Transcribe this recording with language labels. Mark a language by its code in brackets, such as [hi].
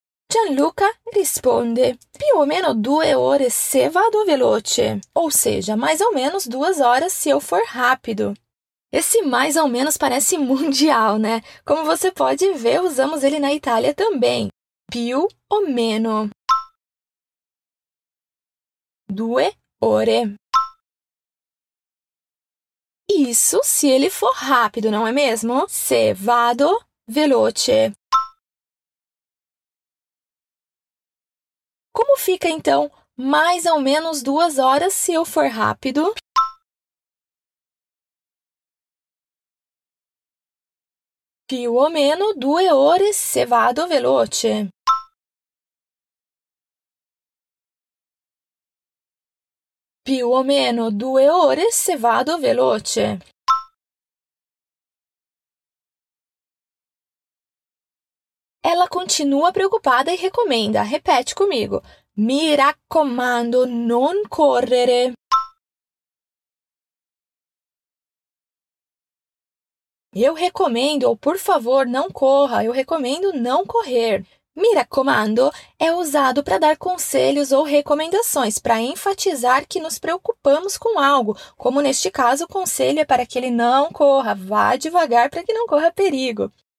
[it] Gianluca risponde, più o meno 2 ore se vado veloce, [pt] ou seja, mais ou menos 2 horas se eu for rápido. Esse mais ou menos parece mundial, né? Como você pode ver, usamos ele na Itália também. [it] Più o meno. 2 ore. [pt] Isso se ele for rápido, não é mesmo? [it] Se vado veloce. [pt] Como fica, então, mais ou menos 2 horas se eu for rápido? [it] Più o meno 2 ore se vado veloce. Più o meno 2 ore se vado veloce. [pt] Ela continua preocupada e recomenda. Repete comigo. [it] Mi raccomando, non correre. [pt] Eu recomendo, ou por favor, não corra. Eu recomendo não correr. Mi raccomando é usado para dar conselhos ou recomendações, para enfatizar que nos preocupamos com algo. Como neste caso, o conselho é para que ele não corra. Vá devagar para que não corra perigo.